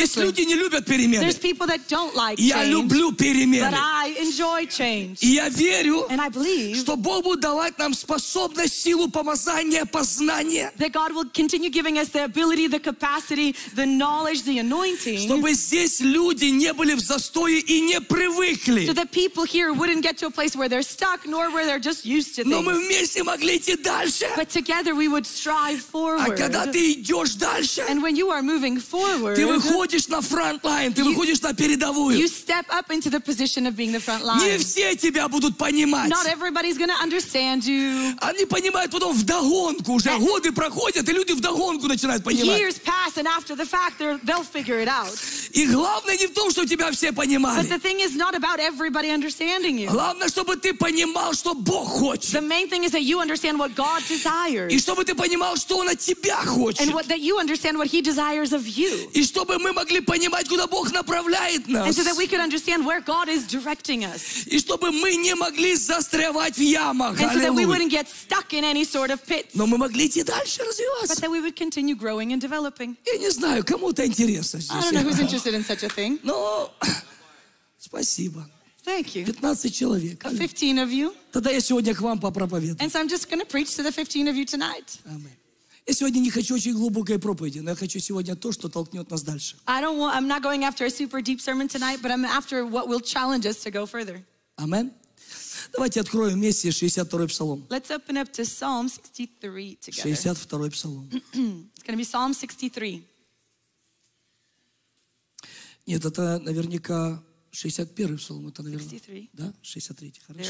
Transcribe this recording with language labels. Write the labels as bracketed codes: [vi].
[ru] Есть люди не любят перемены, [en] there's people that don't like [ru] я [en] change [ru] люблю перемены, [en] but I enjoy change [ru] и я верю, [en] and I believe [ru] что Бог будет давать нам способность, силу, помазания, познания, [en] that God will continue giving us the ability, the capacity, the knowledge, the anointing [ru] чтобы здесь люди не были в застое и не привыкли. [en] So that people here wouldn't get to a place where they're stuck, nor where they're just used to things. [ru] Но мы вместе могли идти дальше. [en] But together we would strive forward. [ru] А когда ты идешь дальше, [en] and when you are moving forward, [ru] ты выходишь на [en] front line, [ru] ты выходишь на передовую. [en] You step up into the position of being the front line. [ru] Не все тебя будут понимать. [en] Not everybody's going to understand you. [ru] Они понимают потом вдогонку уже. Годы проходят, и люди вдогонку начинают понимать. [en] Years pass, and after the fact, they'll figure it out. [ru] И главное не в том, что тебя все понимали. [en] But the thing is not about everybody understanding you. [ru] Главное, чтобы ты понимал, что Бог хочет. [en] The main thing is that you understand what God desires. [ru] И чтобы ты понимал, что Он от тебя хочет. [en] And that you understand what He desires of you. [ru] И чтобы мы могли понимать, куда Бог направляет нас. [en] And so that we could understand where God is directing us. [ru] И чтобы мы не могли застревать в ямах. [en] And so that we wouldn't get stuck in any sort of pits. [ru] Но мы могли идти дальше развиваться. [en] But that we would continue growing and developing. [ru] Я не знаю, кому-то интересно здесь. [en] I don't know who's interested. In such a thing. No. [ru] Спасибо. [en] Thank you. [ru] 15 человек. [en] 15 of you. [ru] Тогда я сегодня к вам попроповедую. [en] And so I'm just going to preach to the 15 of you tonight. Amen. [ru] Я сегодня не хочу очень глубокой проповеди, но я хочу сегодня то, что толкнет нас дальше. [en] I'm not going after a super deep sermon tonight, but I'm after what will challenge us to go further. Amen. [ru] Давайте откроем вместе 62-й псалом. [en] Let's open up to Psalm 63 together. [ru] 62-й псалом. [en] It's going to be Psalm 63. [ru] Нет, это наверняка 61-й псалом, это наверное. [en] 63. [ru] Да, 63-й, хорошо.